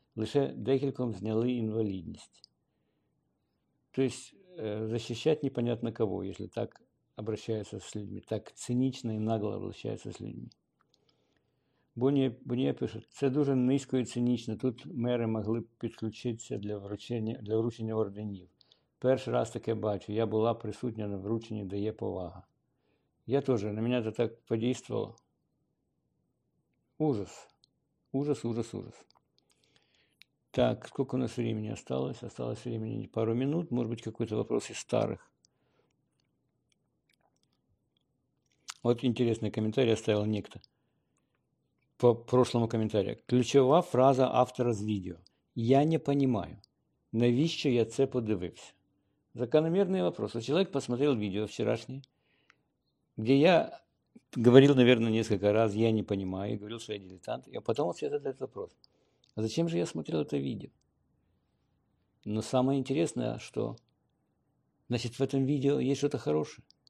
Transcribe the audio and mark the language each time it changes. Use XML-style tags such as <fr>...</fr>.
<uk>Лише декільком зняли інвалідність. Тобто захищати непонятно кого, якщо так обращається з людьми, так цинічно і нагло обращається з людьми. Бо не пише: це дуже низько і цинічно. Тут мери могли б підключитися для вручення орденів. Перший раз таке бачу. Я була присутня на врученні, дає повага.</uk> <ru>Я тоже, на меня это так подействовало. Ужас. Ужас, ужас, ужас. Так, сколько у нас времени осталось? Осталось времени пару минут. Может быть, какой-то вопрос из старых. Вот интересный комментарий оставил некто. По прошлому комментарию.</ru> <uk>Ключова фраза автора</uk> <ru>с видео. Я не понимаю,</ru> <uk>навіщо я це подивився?</uk> <ru>Закономерный вопрос. Вот человек посмотрел видео вчерашнее, где я говорил, наверное, несколько раз, я не понимаю, и говорил, что я дилетант. И потом он себе задает вопрос: а зачем же я смотрел это видео? Но самое интересное, что, значит, в этом видео есть что-то хорошее.</ru>